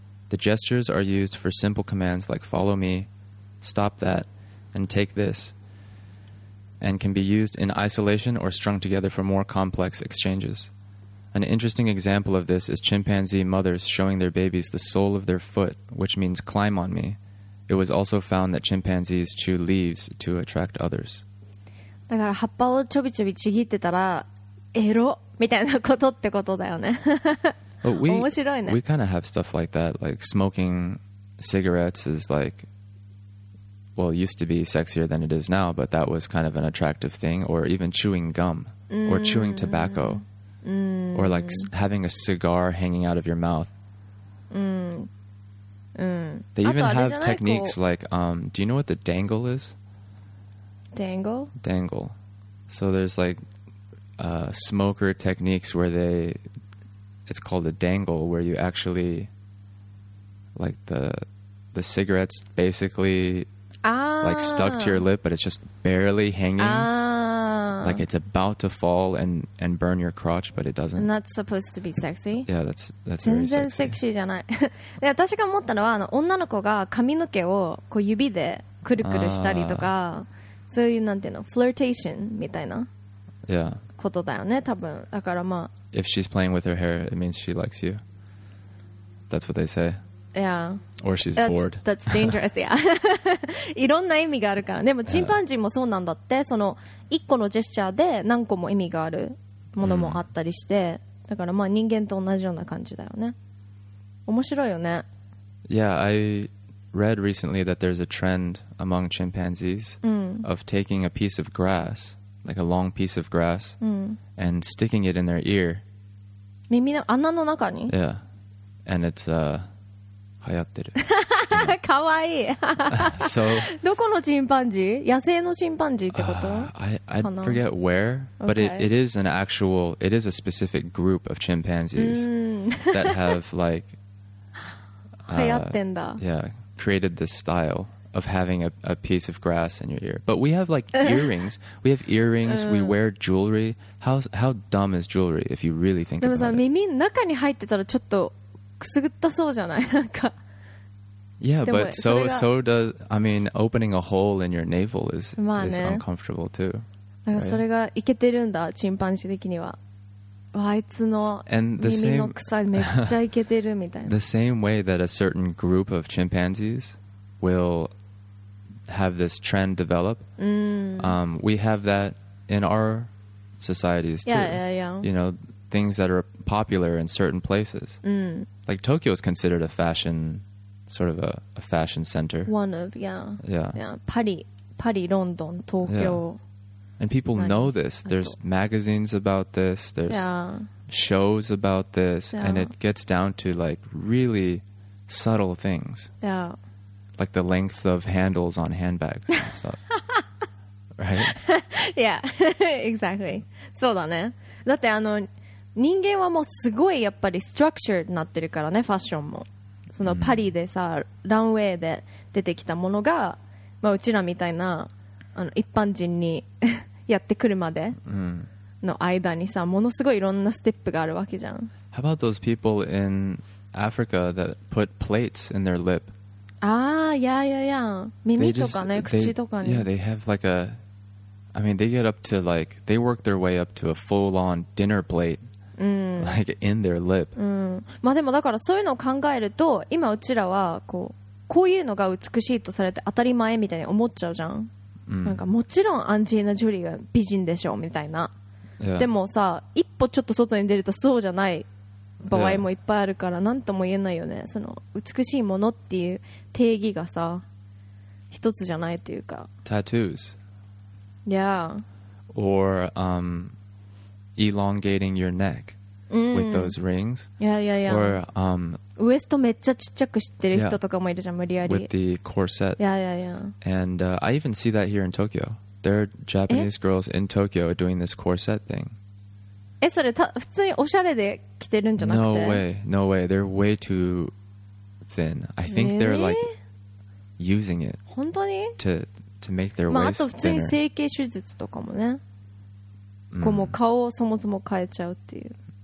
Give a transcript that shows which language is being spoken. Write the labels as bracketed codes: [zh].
[en] The gestures are used for simple commands like follow me, stop that, and take this, and can be used in isolation or strung together for more complex exchanges. An interesting example of this is chimpanzee mothers showing their babies the sole of their foot, which means climb on me. It was also found that chimpanzees chew leaves to attract others. [ja] だから葉っぱをちょびちょびちぎってたらエロみたいなことってことだよね。面白いね。 [en] We kind of have stuff like that, like smoking cigarettes is like, well, it used to be sexier than it is now, but that was kind of an attractive thing, or even chewing gum, or chewing tobacco. Or like having a cigar hanging out of your mouth. They even have techniques like, do you know what the dangle is? Dangle? Dangle. So there's like, smoker techniques where they, it's called a dangle, where you actually, like the cigarette's basically, like stuck to your lip, but it's just barely hanging. Like it's about to fall and burn your crotch, but it doesn't. And that's supposed to be sexy. Yeah, that's very sexy. [ja] 全然セクシーじゃない。で、私が思ったのは、女の子が髪の毛をこう指でくるくるしたりとか、そういうなんていうの、flirtation みたいな、 [en] yeah. [ja] ことだよね、多分。だからまあ、 [en] if she's playing with her hair, it means she likes you. That's what they say. Yeah. Or she's bored. That's dangerous, yeah. [ja] いろんな意味があるから。でもチンパンジーもそうなんだって。その一個のジェスチャーで何個も意味があるものもあったりして。だからまあ人間と同じような感じだよね。面白いよね。 [en] Yeah, I read recently that there's a trend among chimpanzees of taking a piece of grass, like a long piece of grass, and sticking it in their ear. [ja] 耳の穴の中に? [en] Yeah. And it's, [ja] 流行ってる。かわいい。 [en] So, [ja] どこのチンパンジー？野生のチンパンジーってこと？ [en] I forget where, but it is an actual, it is a specific group of chimpanzees that have like, [ja] 流行ってんだ。 [en] Yeah, created this style of having a piece of grass in your ear. But we have like earrings. We have earrings. We wear jewelry. How dumb is jewelry if you really think about it? [ja] でもさ、耳の中に入ってたらちょっと。くすぐったそうじゃない? なんか。 [en] Yeah, but so does, I mean, opening a hole in your navel is,、 [ja] まあね、 [en] is uncomfortable too. [ja] だからそれがイケてるんだ、チンパンジー的には。あいつの耳の臭いめっちゃイケてるみたいな。 [en] The same way that a certain group of chimpanzees will have this trend develop, we have that in our societies too. Yeah. You know, things that are popular in certain places. Like Tokyo is considered a fashion, sort of a fashion center. One of, yeah. Yeah. Paris, London, Tokyo. Yeah. And people know this. There's magazines about this. There's shows about this. Yeah. And it gets down to like really subtle things. Yeah. Like the length of handles on handbags and stuff. Right? Yeah, exactly. [ja] そうだね。だってあの人間はもうすごいやっぱりストラクチャーになってるからね、ファッションも。そのパリでさ、ランウェイで出てきたものが、まあ、うちらみたいなあの一般人にやってくるまでの間にさ、ものすごいいろんなステップがあるわけじゃん。 [en] How about those people in Africa that put plates in their lip? [ja] ああ、耳とかね、口とかね。 [en] Yeah, they have like a, I mean, they get up to like, they work their way up to a full-on dinner plate. like in their lip. [ja] まあでもだからそういうのを考えると今うちらはこう、こういうのが美しいとされて当たり前みたいに思っちゃうじゃん。なんかもちろんアンジェリーナ・ジョリーが美人でしょみたいな、でもさ一歩ちょっと外に出るとそうじゃない場合もいっぱいあるから何とも言えないよね。その美しいものっていう定義がさ一つじゃないというか。 [en] Tattoos. Yeah. Or elongating your neck with those rings. Yeah, yeah, yeah. Or [ja] ウエストめっちゃちっちゃくしてる人とかもいるじゃん、無理やり。 [en] With the corset. Yeah, yeah, yeah. And I even see that here in Tokyo. There are Japanese girls in Tokyo doing this corset thing. [ja] え、それ普通におしゃれで着てるんじゃなくて？ [en] No way, no way. They're way too thin. I think they're like using it. [ja] 本当に？ [en] To make their waist thinner. [ja] まああと普通に整形手術とかもね。こうもう顔をそもそも変えちゃうっていう。